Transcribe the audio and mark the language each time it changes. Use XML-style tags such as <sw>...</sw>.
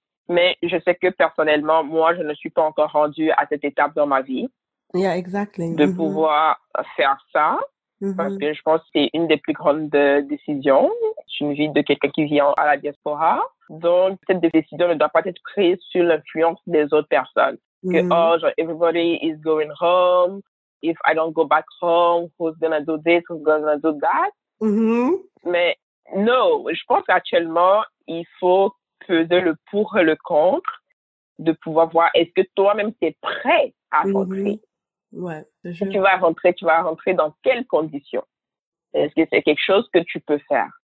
<fr>Mais je sais que personnellement, moi, je ne suis pas encore rendue à cette étape dans ma vie.</fr> <en>Yeah, exactly.</en> <fr>De pouvoir faire ça. Parce que je pense que c'est une des plus grandes décisions. C'est une vie de quelqu'un qui vit à la diaspora. Donc, cette décision ne doit pas être prise sur l'influence des autres personnes. Que, oh, genre,</fr> <en>everybody is going home. If I don't go back home, who's gonna do this? Who's gonna do that?</en> <fr>Mais, non, je pense qu'actuellement, il faut peser le pour et le contre de pouvoir voir est-ce que toi-même, tu es prêt à rentrer. Ouais, si tu vas rentrer, tu vas rentrer dans quelles conditions? Est-ce que c'est quelque chose que tu peux faire?</fr>